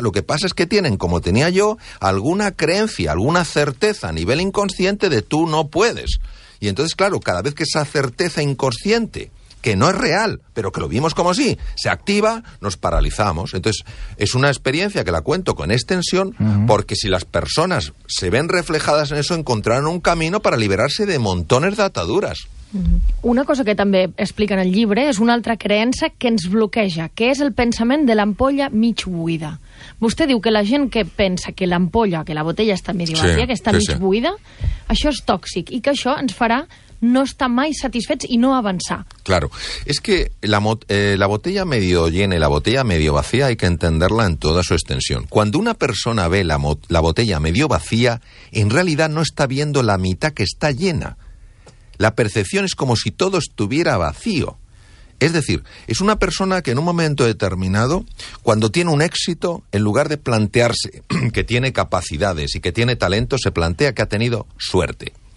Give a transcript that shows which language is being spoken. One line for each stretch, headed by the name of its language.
Spanish: Lo que pasa es que tienen, como tenía yo, alguna creencia, alguna certeza a nivel inconsciente de tú no puedes. Y entonces, claro, cada vez que esa certeza inconsciente que no es real, pero que lo vimos como así. Se activa, nos paralizamos. Entonces, es una experiencia que la cuento con extensión, porque si las personas se ven reflejadas en eso, encontrarán un camino para liberarse de montones de ataduras.
Catalan: Una cosa que també explica en el llibre és una altra creença que ens bloqueja, que és el pensament de l'ampolla mig buida. Vostè diu que la gent que pensa que l'ampolla, que la botella està mig vacia, que està mig buida, això és tòxic i que això ens farà no estar mai satisfets i no avançar.
Spanish: Claro, es que la botella medio llena y la botella medio vacía hay que entenderla en toda su extensión. Cuando una persona ve la botella medio vacía, en realidad no está viendo la mitad que está llena. La percepción es como si todo estuviera vacío. Es decir, es una persona que en un momento determinado, cuando tiene un éxito, en lugar de plantearse que tiene capacidades y que tiene talento, se plantea que ha tenido suerte.